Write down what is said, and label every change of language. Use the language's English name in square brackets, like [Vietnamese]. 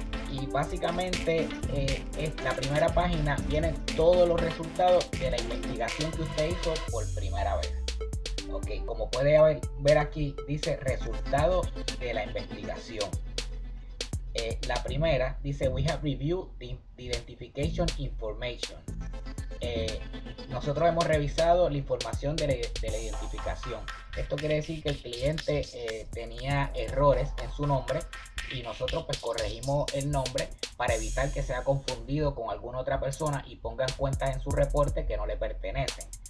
[Spanish] Y básicamente, en la primera página viene todos los resultados de la investigación que usted hizo por primera vez. Ok, como puede ver aquí, dice resultados de la investigación. La primera dice: [English] We have reviewed the identification information. [Spanish] Nosotros hemos revisado la información de la identificación. Esto quiere decir que el cliente tenía errores en su nombre y nosotros pues corregimos el nombre para evitar que sea confundido con alguna otra persona y pongan cuentas en su reporte que no le pertenecen.